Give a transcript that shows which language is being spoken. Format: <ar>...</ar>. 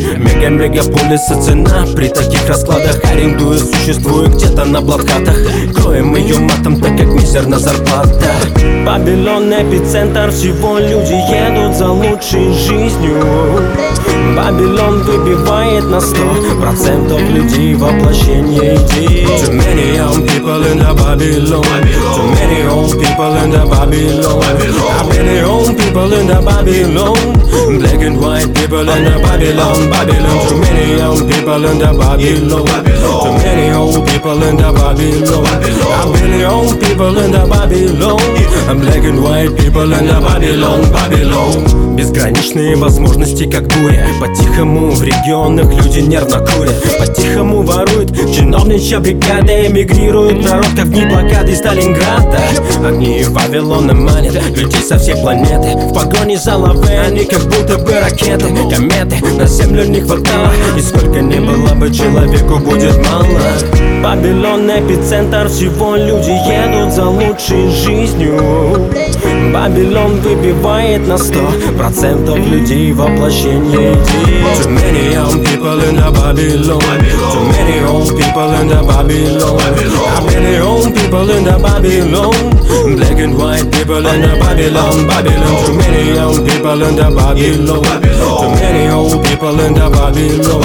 <ru>Мега-мегаполисы цена при таких раскладах. Арендую, существую где-то на блокадах. Кроем ее матом, так как мизерна зарплата. Бабилон эпицентр всего, люди едут за лучшей жизнью. Бабилон выбивает на 100% людей воплощение идей.</ru> <en>Too many young people in the Babylon. Too many old people in the Babylon. How many old people in the Babylon? Black and white people in the Babylon. Babylon. Too many young people in the Babylon. Too many old people in the Babylon. How many old people in the Babylon? Black and white people in the Babylon. Babylon.</en> <ru>Безграничные возможности, как буря. По-тихому в регионах люди нервно курят. По-тихому воруют чиновничья бригада. Эмигрируют народ, как в дни блокады Сталинграда. Огни Вавилона манят людей со всей планеты. В погоне за лаве они как будто бы ракеты. Кометы на землю не хватало. И сколько ни было бы, человеку будет мало. Бабилон эпицентр всего, люди едут за лучшей жизнью. Бабилон выбивает на 100% людей воплощение идей.</ru> <en>Too many young people in the Babylon. Too many old people in the Babylon. How many old people in the Babylon? Black and white people in the Babylon. Babylon. Too many young people in the Babylon. Too many old people in the Babylon.</en>